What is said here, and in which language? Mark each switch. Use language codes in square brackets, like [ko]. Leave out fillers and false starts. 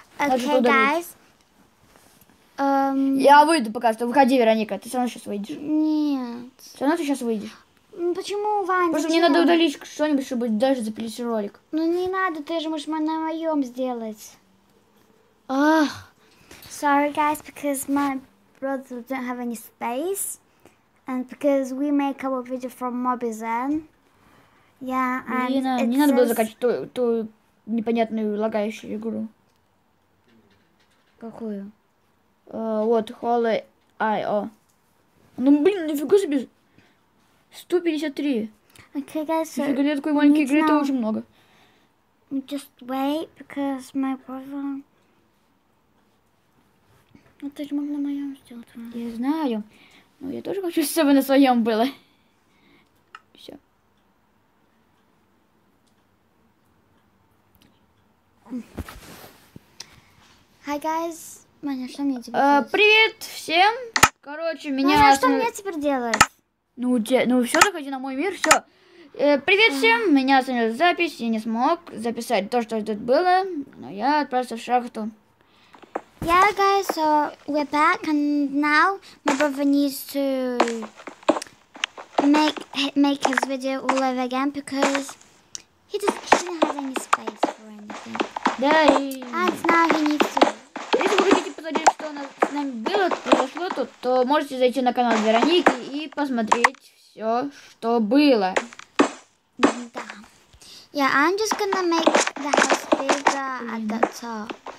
[en] Okay, guys. [ru] Я выйду пока что. Выходи, Вероника. Ты все равно сейчас выйдешь. Нет. Все равно ты сейчас выйдешь. Почему, Вань? Потому что мне надо удалить что-нибудь, чтобы даже запилить ролик. Ну не надо, ты же можешь на моем сделать. Ах. [en] Sorry, guys, because my brother don't have any space. And because we make our video from MobiZen. Yeah, and [ru] Лина, [en] it's... [ru] Не надо было закачать ту непонятную лагающую игру. Какую? Вот, Holy I.O. Ну, блин, нифига себе. 153. [en] Okay, guys, so... [ru] Нифига, нет такой маленькой игры, это очень много. [en] Just wait, because my brother... [ru] Ну, ты же мог на моем сделать. Я знаю. Ну, я тоже хочу, чтобы на своем было. Все. [en] Hi, guys. [ru] Маня, что мне теперь делать? Привет всем! Короче, меня... Маня, что мне теперь делать? Ну, все, заходи на мой мир, все. Привет всем! Меня остановилась запись, я не смог записать то, что тут было. Но я отправился в шахту. [en] Yeah, guys, so we're back, and now my brother needs to make his video all over again, because he didn't have any space for anything. [ru] Да, и... [en] And now he needs to... [ru] Что у нас с нами было, произошло тут, то можете зайти на канал Вероники и посмотреть все, что было. Да. [en] Yeah, I'm just gonna make the house bigger at the top.